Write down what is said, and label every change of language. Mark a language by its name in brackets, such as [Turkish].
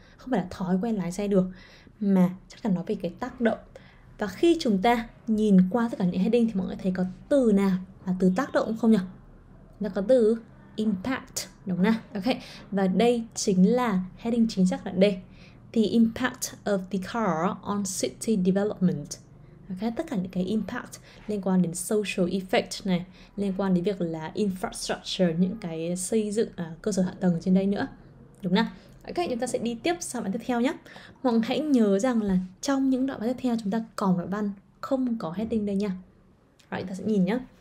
[Vietnamese] Không phải là thói quen lái xe được, mà chắc chắn nói về cái tác động. Và khi chúng ta nhìn qua tất cả những heading thì mọi người thấy có từ nào là từ tác động không nhỉ? Nó có từ impact, đúng không? Ok, và đây chính là heading chính xác là D. [English] The impact of the car on city development. [Vietnamese] Okay, tất cả những cái impact liên quan đến social effect này, liên quan đến việc là infrastructure, những cái xây dựng cơ sở hạ tầng ở trên đây nữa, đúng không nào? Ok, chúng ta sẽ đi tiếp sang bài tiếp theo nhé. Hoặc hãy nhớ rằng là trong những đoạn bài tiếp theo chúng ta còn đoạn văn không có heading đây nha. Rồi, chúng ta sẽ nhìn nhé.